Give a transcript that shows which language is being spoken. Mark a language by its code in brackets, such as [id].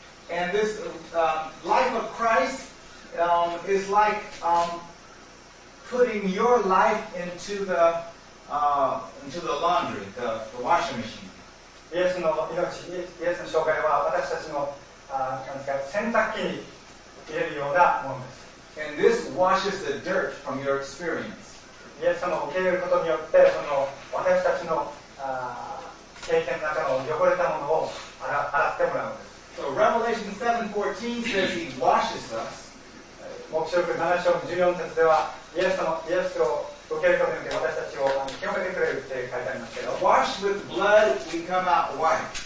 [en] And this life of Christ is like putting your life into the laundry, the washing machine. [ja] イエスの命、イエスの生涯は私たちの洗濯機に入れるようなものです。 [en] And this washes the dirt from your experience. [ja] イエス様を受け入れることによって、その私たちの経験の中の汚れたものを洗ってもらうんです。 [en] So Revelation 7:14 says He washes us. [ja] 黙示録7章14節では、イエスを受け入れることによって私たちを清めてくれるって書いてありますけど、 [en] Washed with blood, we come out white.